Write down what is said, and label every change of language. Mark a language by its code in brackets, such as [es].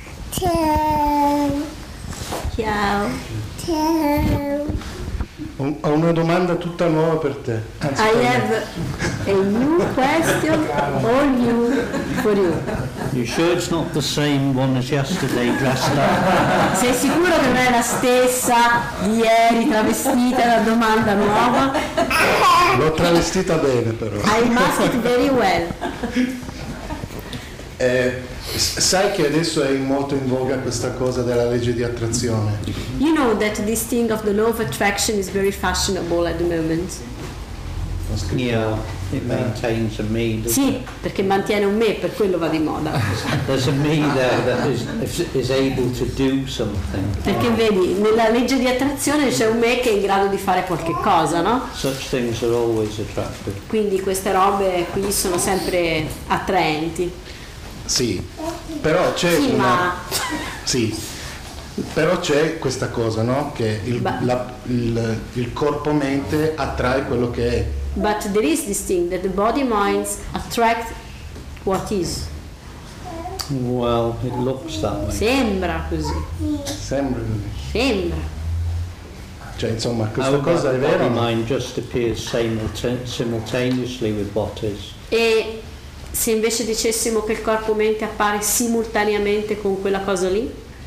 [it] Ciao. Ciao. Ho una domanda tutta nuova per te. [en] I have a new question all new for you. You sure it's not the same one as yesterday dressed up? [it] Sei sicuro che non è la stessa di ieri travestita, la domanda nuova? L'ho travestita bene però. [en] I masked very well. [it] Sai che adesso è molto in voga questa cosa della legge di attrazione. [en] You know that this thing of the law of attraction is very fashionable at the moment. Yeah, it maintains a me. [it] Sì, perché mantiene un me, per quello va di moda. [en] There's a me there that is able to do something. [it] Perché vedi, nella legge di attrazione c'è un me che è in grado di fare qualche cosa, no? [en] Such things are always attractive. [it] Quindi queste robe qui sono sempre attraenti. Sì, però c'è sì, una. Ma... sì, però c'è questa cosa, no? Che il corpo-mente attrae quello che è. [en] But there is this thing that the body-minds attract what is. Well, it looks that way. [it] Sembra così. Sembra così. Sembra. Cioè, insomma, questa cosa è vera. [en] The body-mind just appears simultaneously with bodies. [it] E se invece dicessimo che il corpo-mente appare simultaneamente con quella cosa lì?